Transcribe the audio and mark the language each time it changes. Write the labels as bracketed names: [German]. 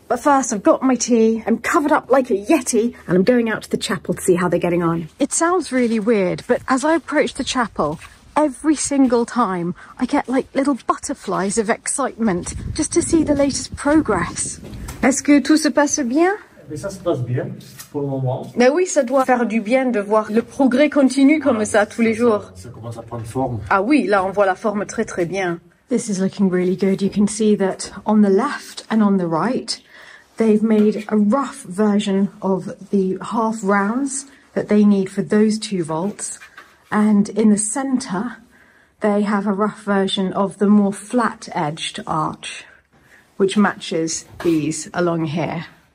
[English] But first, I've got my tea, I'm covered up like a yeti, and I'm going out to the chapel to see how they're getting on. It sounds really weird, but as I approach the chapel, every single time, I get like little butterflies of excitement just to see the latest progress. [French] Est-ce que tout se passe bien? Mais ça se passe bien pour le moment. Mais oui, ça doit faire du bien de voir le progrès continue comme ça tous les jours. Ça commence à prendre forme. Ah oui, là on voit la forme très très bien. [English] This is looking really good. You can see that on the left and on the right, they've made a rough version of the half rounds that they need for those two vaults. And in the center, they have a rough version of the more flat-edged arch, which matches these along here.